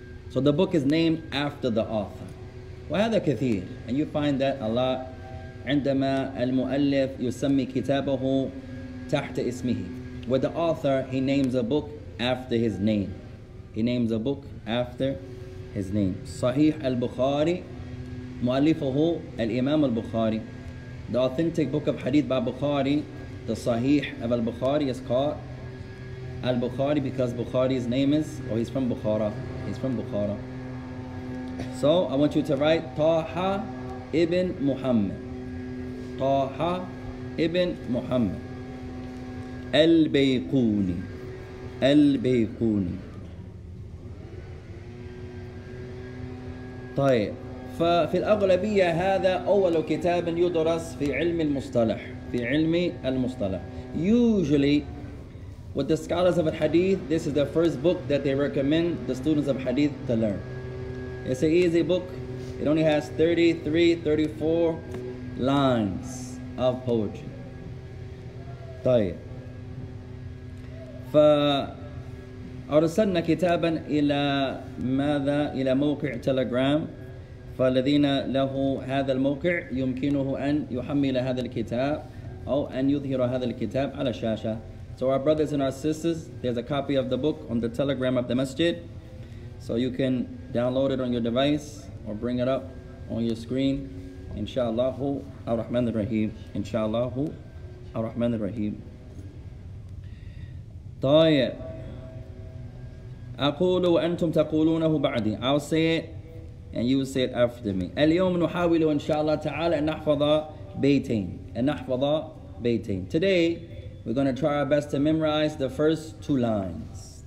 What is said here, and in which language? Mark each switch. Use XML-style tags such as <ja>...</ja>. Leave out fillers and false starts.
<en>So the book is named after the author.</en> <ar>وهذا كثير.</ar> <en>And you find that a lot.</en> <ar>عندما المؤلف يسمي كتابه تحت اسمه.</ar> <en>With the author, he names a book after his name. He names a book after his name.</en> <ar>صحيح البخاري مؤلفه الإمام البخاري.</ar> <en>The authentic book of hadith by Bukhari, the صحيح of al-Bukhari, is called Al-Bukhari because Bukhari's name is, or he's from Bukhara. He's from Bukhara. So I want you to write Taha ibn Muhammad. Taha ibn Muhammad. Al-Bayquni. Al-Bayquni.</en> <ar>طيب ففي الأغلبية هذا أول كتاب يدرس في علم المصطلح في علم المصطلح.</ar> <en>Usually, with the scholars of Hadith, this is the first book that they recommend the students of Hadith to learn. It's an easy book. It only has 33, 34 lines of poetry.</en> <ar>طيب فأرسلنا كتابا إلى ماذا إلى موقع تيليجرام. فالذين له هذا الموقع يمكنه أن يحمل هذا الكتاب أو أن يظهر هذا الكتاب على الشاشة.</ar> <en>So our brothers and our sisters, there's a copy of the book on the telegram of the masjid. So you can download it on your device or bring it up on your screen.</en> <ar>Inshallah ar-Rahman ar-Rahim. Inshallah ar-Rahman ar-Rahim. طيب. أقول وأنتم تقولونه بعدي.</ar> <en>I'll say it. And you say it after me.</en> <ar>اليوم نحاول إن شاء الله تعالى أن نحفظ بيتين. أن نحفظ بيتين.</ar> <en>Today, we're going to try our best to memorize the first two lines.</en>